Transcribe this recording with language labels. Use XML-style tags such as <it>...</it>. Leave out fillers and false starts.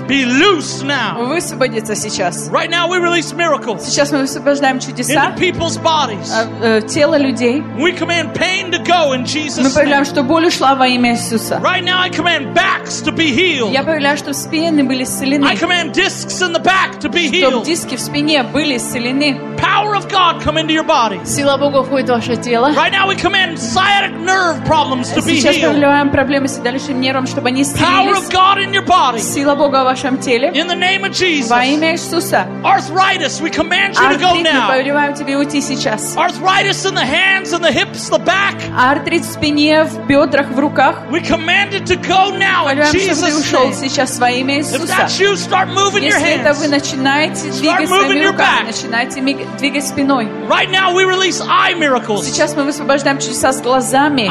<en>be loose now.</en> <ru>Высвободится сейчас.</ru> <en>Right now we release miracles.</en> <ru>Сейчас мы высвобождаем чудеса</ru> <en>in people's bodies.</en> <ru>Тело людей.</ru> <en>We command pain to go in Jesus'</en> <ru>name. Мы повелеваем, что боль ушла во имя Иисуса.</ru> <en>Right now I command backs to be healed.</en> <ru>Я повелеваю, что спины были исцелены.</ru> <en>I command discs in the back to be healed.</en> <ru>Чтобы диски в спине были исцелены.</ru> <en>Power of God come into your body.</en> <ru>Сила Бога входит в ваше тело.</ru> <en>Right now we command sciatic nerve problems to be healed.</en> <ru>Сейчас мы повелеваем проблемы с седалищным нервом, чтобы они исцелились.</ru> <en>Power of God in your body.</en> <ru>Сила Бога в вашем теле.</ru> <en>In the name of Jesus.</en> <ru>Во имя Иисуса.</ru> <en>Arthritis, we command you to go now.</en> <ru>Артрит, мы повелеваем тебе уйти сейчас.</ru> <en>Arthritis in the hands, in the hips, the back.</en> <ru>Артрит в спине, в бедрах, в руках.</ru> <en>We command it to go now in Jesus' name.</en> <ru>Повелеваем, чтобы ты ушел сейчас во имя Иисуса.</ru> <en>If that's you, start moving your hands.</en> <ru>Если это вы, начинаете двигать своими руками, начинайте двигать спиной.</ru> <en>Right now we release eye miracles.</en> <ru>Сейчас мы высвобождаем чудеса с глазами.</ru>